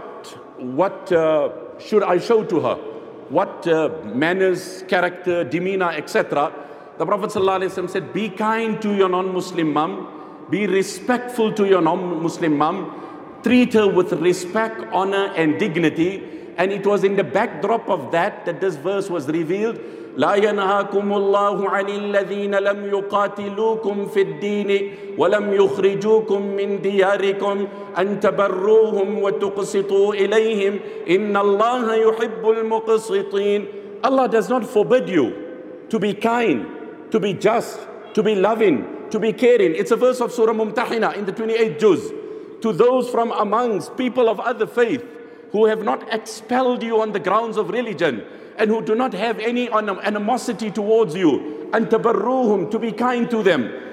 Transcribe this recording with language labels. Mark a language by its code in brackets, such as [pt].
[en] What should I show to her? What manners, character, demeanor, etc. The Prophet said, be kind to your non-Muslim mom. Be respectful to your non-Muslim mom. Treat her with respect, honor, and dignity. And it was in the backdrop of that that this verse was revealed. [ar] لا ينهاكم الله عن الذين لم يقاتلوكم في الدين ولم يخرجوكم من دياركم أن تبروهم وتقسطوا إليهم إن الله يحب المقسطين. [en] Allah does not forbid you to be kind, to be just, to be loving, to be caring. It's a verse of Surah Mumtahina in the 28th juz. To those from amongst people of other faith who have not expelled you on the grounds of religion and who do not have any animosity towards you, and tabarruhum, to be kind to them.